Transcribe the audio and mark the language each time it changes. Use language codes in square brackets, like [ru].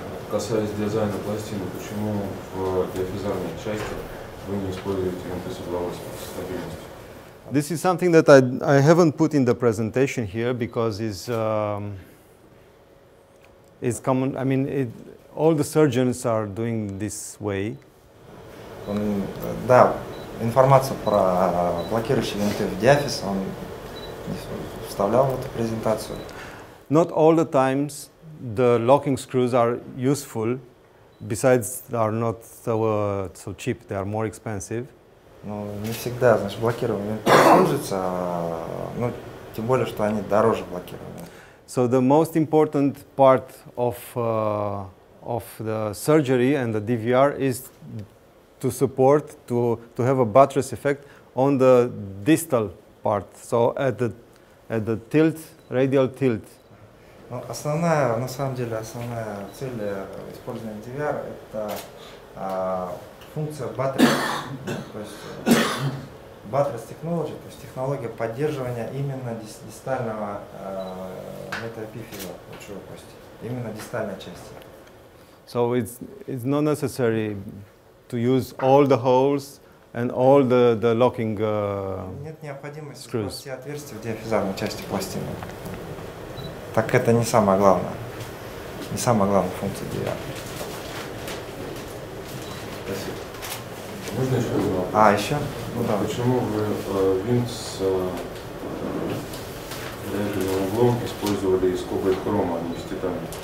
[ru] Касаясь дизайна пластины, почему в диафизарной части вы не используете МКНТ стабильность? [en] This is something that I haven't put in the presentation here because it's common. I mean, all the surgeons are doing this way. [ru] Да, информацию про блокирующие винты в диафиз он вставлял в эту презентацию. [en] Not all the times the locking screws are useful. Besides, they are not so cheap. They are more expensive. [ru] Ну, не всегда, значит, блокирование используется, ну, тем более, что они дороже блокированы. [en] So the most important part of the surgery and the DVR is to support, to have a buttress effect on the distal part, so at the tilt, radial tilt. [ru] Ну, основная цель использования DVR — это функция баттерс технологии, то есть технология поддерживания именно дистального метаэпифиза лучевой кости, именно дистальной части. [en] So it's not necessary to use all the holes and all the locking screws. [ru] Нет необходимости использовать все отверстия в диафизарной части пластины. Так это не самое главное. не самая главная функция DVR. Спасибо. Можно еще один вопрос? А, еще? Ну, да. Почему вы винт с левым углом использовали из кобальт хрома, а не из титана?